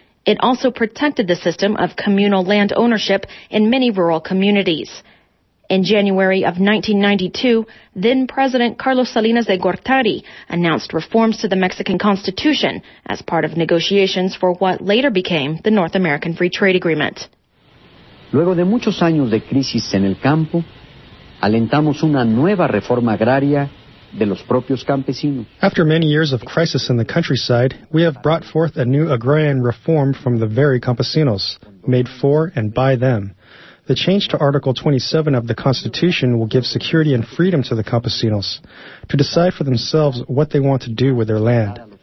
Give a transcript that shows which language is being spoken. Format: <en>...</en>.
<en>It also protected the system of communal land ownership in many rural communities. In January of 1992, then-President Carlos Salinas de Gortari announced reforms to the Mexican Constitution as part of negotiations for what later became the North American Free Trade Agreement.</en> <es>Luego de muchos años de crisis en el campo, alentamos una nueva reforma agraria de los propios campesinos.</es> <en>After many years of crisis in the countryside, we have brought forth a new agrarian reform from the very campesinos, made for and by them. The change to Article 27 of the Constitution will give security and freedom to the campesinos to decide for themselves what they want to do with their land.</en>